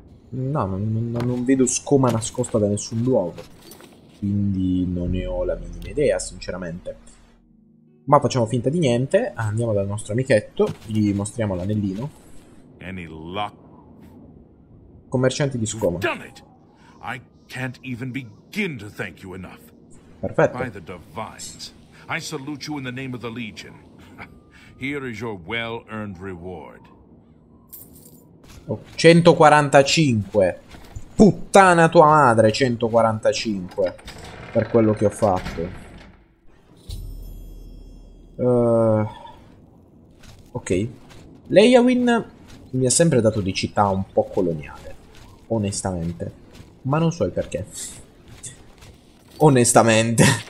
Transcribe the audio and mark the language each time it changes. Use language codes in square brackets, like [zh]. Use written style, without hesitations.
[it] No, non vedo scoma nascosta da nessun luogo, quindi non ne ho la minima idea, sinceramente. Ma facciamo finta di niente, andiamo dal nostro amichetto, gli mostriamo l'anellino. [en] Any luck? [it] Commercianti di scoma. [en] Done it. I can't even begin to thank you enough. [it] Perfetto. [en] By the divines, I salute you in the name of the Legion. Here is your well-earned reward. 145. [it] Puttana tua madre, 145 per quello che ho fatto. Ok. Leiawin mi ha sempre dato di città un po' coloniale, onestamente, ma non so il perché, onestamente.